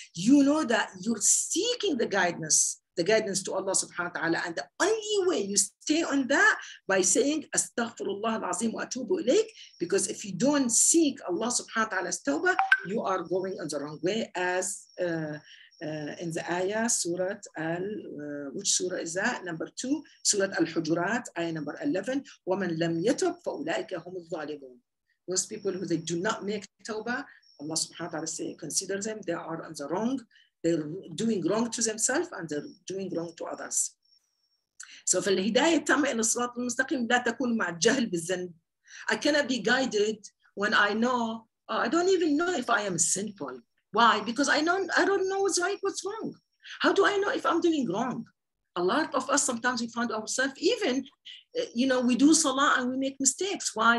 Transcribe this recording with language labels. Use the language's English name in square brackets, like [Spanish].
[English] you know that you're seeking the guidance to Allah subhanahu wa ta'ala, and the only way you stay on that by saying astaghfirullah al-azim wa atubu ilayk, because if you don't seek Allah subhanahu wa ta'ala's tawbah, you are going in the wrong way, as in the ayah, surah al, which surah is that? Number 2, surah al-hujurat, ayah number 11, [Arabic] وَمَنْ لَمْ يَتُبْ فَأُولَٰئِكَ هُمُ الظَّالِمُونَ. [English] Those people who they do not make tawbah, Allah subhanahu wa ta'ala say, consider them, they are in the wrong. They're doing wrong to themselves and they're doing wrong to others. So for [Arabic] الهداية التامة إلى الصراط المستقيم لا تكون مع الجهل بالذنب. [English] I cannot be guided when I know, I don't even know if I am sinful. Why? Because I don't know what's right, what's wrong. How do I know if I'm doing wrong? A lot of us, sometimes we find ourselves, even, you know, we do salah and we make mistakes. Why?